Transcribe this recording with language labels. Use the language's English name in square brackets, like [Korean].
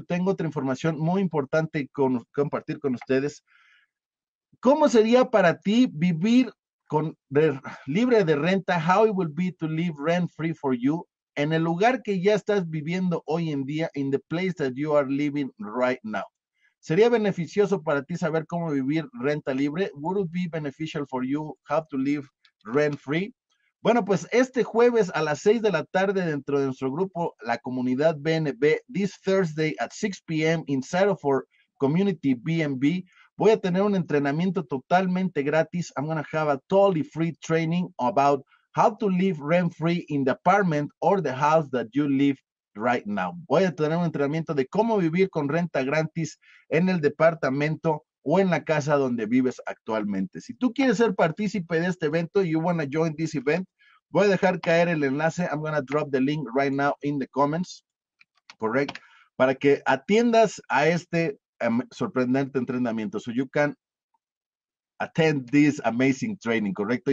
[Spanish] Tengo otra información muy importante compartir con ustedes. ¿Cómo sería para ti vivir libre de renta? [English] How it will be to live rent free for you [Spanish] en el lugar que ya estás viviendo hoy en día, [English] in the place that you are living right now. [Spanish] ¿Sería beneficioso para ti saber cómo vivir renta libre? [English] Would it be beneficial for you how to live rent free? [Spanish] Bueno, pues este jueves a las 6 de la tarde dentro de nuestro grupo, la comunidad BNB, [English] this Thursday at 6 p.m. inside of our community BNB, [Spanish] voy a tener un entrenamiento totalmente gratis. [English] I'm going to have a totally free training about how to live rent free in the apartment or the house that you live right now. [Spanish] Voy a tener un entrenamiento de cómo vivir con renta gratis en el departamento o en la casa donde vives actualmente. Si tú quieres ser partícipe de este evento, [English] you want to join this event, [Spanish] voy a dejar caer el enlace. [English] I'm going to drop the link right now in the comments. Correct. [Spanish] Para que atiendas a este sorprendente entrenamiento. [English] So you can attend this amazing training, correcto.